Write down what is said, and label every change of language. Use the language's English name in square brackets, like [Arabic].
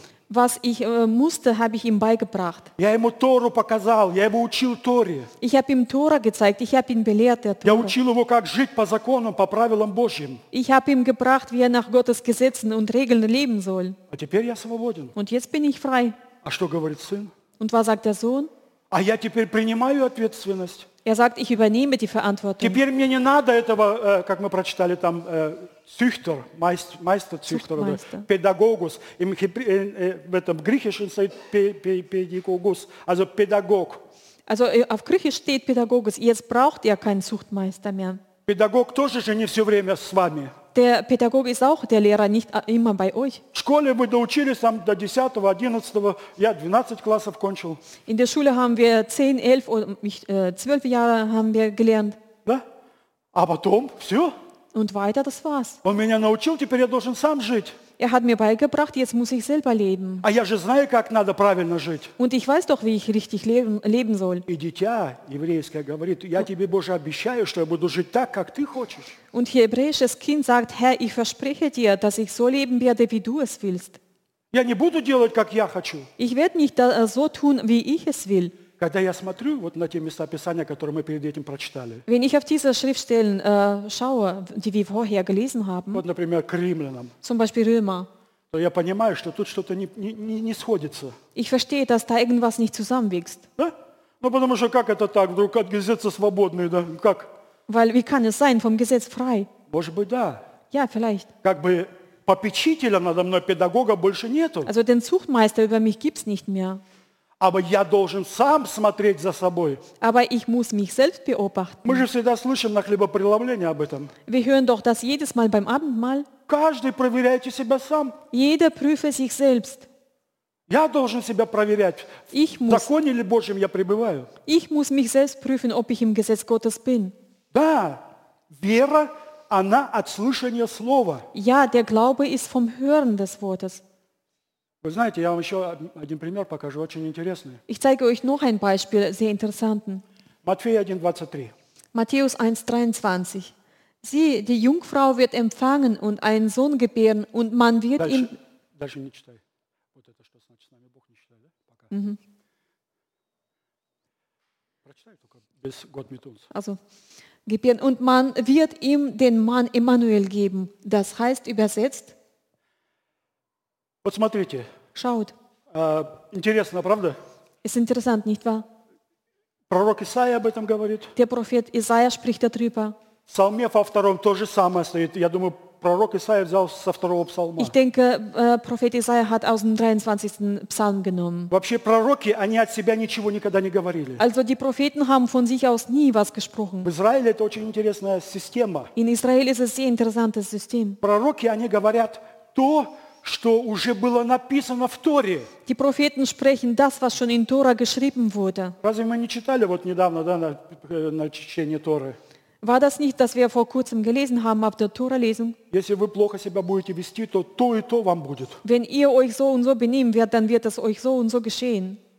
[German] Was ich musste, habe ich ihm beigebracht. [Russian] Я ему Тору показал, я его учил Торе. [German] Ich habe ihm Tora gezeigt, ich habe ihn belehrt der Tora. [Russian] Я учил его, как жить по законам, по правилам Божьим. [German] Ich habe ihm gebracht, wie er nach Gottes Gesetzen und Regeln leben soll. [Russian] А теперь я свободен. [German] Und jetzt bin ich frei. [Russian] А что говорит сын? [German] Und was sagt der Sohn? [Russian] А я теперь принимаю ответственность. [German] Er sagt, ich übernehme die Verantwortung. [Russian] Теперь мне не надо этого, как мы прочитали там, [German] Züchter, Meister, Züchter oder Pädagogus. Im Griechischen steht Pädagogus, also Pädagog. Also auf Griechisch steht Pädagogus. Jetzt braucht er keinen Zuchtmeister mehr. [Russian] Pädagog тоже же не все время с вами. [German] Der Pädagoge ist auch der Lehrer, nicht immer bei euch. [Russian] В школе мы доучились там до 10-го, 11-го. Я 12 классов кончил. [German] In der Schule haben wir 10, 11 oder 12 Jahre haben wir gelernt. [Russian] Да? А потом все. [German] Und weiter, das war's. [Russian] Он меня научил, теперь я должен сам жить. [German] Er hat mir beigebracht, jetzt muss ich selber leben. [Russian] А я же знаю, как надо правильно жить. [German] Und ich weiß doch, wie ich richtig leben soll. [Russian] И дитя еврейское говорит, я тебе, Боже, обещаю, что я буду жить так, как ты хочешь. [German] Und hier hebräisches Kind sagt, Herr, ich verspreche dir, dass ich so leben werde, wie du es willst. [Russian] Я не буду делать, как я хочу. [German] Ich werde nicht so tun, wie ich es will. [Russian] Когда я смотрю вот на те места Писания, которые мы перед этим прочитали. [German] Wenn ich auf diese Schriftstellen schaue, die wir vorher gelesen haben. [Russian] Вот, например, к Римлянам. [German] Zum Beispiel Römer. [Russian] То я понимаю, что тут что-то не сходится. [German] Ich verstehe, dass da irgendwas nicht zusammenwächst. [Russian] Да? Ну потому что как это так, вдруг от Гесетца свободный, да? Как? [German] Weil wie kann es sein, vom Gesetz frei? [Russian] Может быть, да. [German] Ja, vielleicht. [Russian] Как бы попечителя надо мной педагога больше нету. [German] Also den Zuchtmeister über mich gibt's nicht mehr. Aber [Russian] я должен сам смотреть за собой. [German] Aber ich muss mich selbst beobachten. [Russian] Мы же всегда слышим на хлебопреломлении об этом. [German] Wir hören doch das jedes Mal beim Abendmahl. [Russian] Каждый проверяйте себя сам. [German] Jeder prüfe sich selbst. [Russian] Я должен себя проверять. [German] Ich muss, [Russian] в законе ли Божьем я пребываю? [German] Ich muss mich selbst prüfen, ob ich im Gesetz Gottes bin. [Russian] Да, вера, она от слышания слова. [German] Ja, der Glaube ist vom Hören des Wortes. [Russian] Вы знаете, я вам еще один пример покажу, очень интересный. [German] Ich zeige euch noch ein Beispiel, sehr interessanten. Matthäus 1:23. Matthäus 1:23. Sieh, die Jungfrau wird empfangen und einen Sohn gebären und man wird ihm. [Russian] Дальше не читай. Вот это что значит с нами Бог не читает, да? Пока. Прочитай только без [German] Gott mit uns. Also gebären und man wird ihm den Mann Emmanuel geben. Das heißt übersetzt. [Russian] Вот смотрите. [German] Schaut. [Russian] Интересно, правда? [German] Ist interessant, nicht wahr? [Russian] Пророк Исаия об этом говорит. [German] Der Prophet Isaiah spricht darüber. [Russian] Псалме во втором то же самое стоит. Я думаю, пророк Исаия взял со второго псалма. [German] Ich denke, Prophet Isaiah hat aus dem 23. Psalm genommen. [Russian] Вообще пророки, они от себя ничего никогда не говорили. [German] Also die Propheten haben von sich aus nie was gesprochen. [Russian] В Израиле это очень интересная система. [German] In Israel ist es sehr interessantes System. [Russian] Пророки, они говорят то, что уже было написано в Торе. [German] Die Propheten sprechen das, was schon in Tora geschrieben wurde. [Russian] Разве мы не читали вот недавно, да, на чтение Торы? [German] War das nicht, dass wir vor kurzem gelesen haben auf der Tora-Lesung? [Russian] Если вы плохо себя будете вести, то то и то вам будет. [German] Wenn ihr euch so und so benehmen werdet, dann wird es euch so und so geschehen.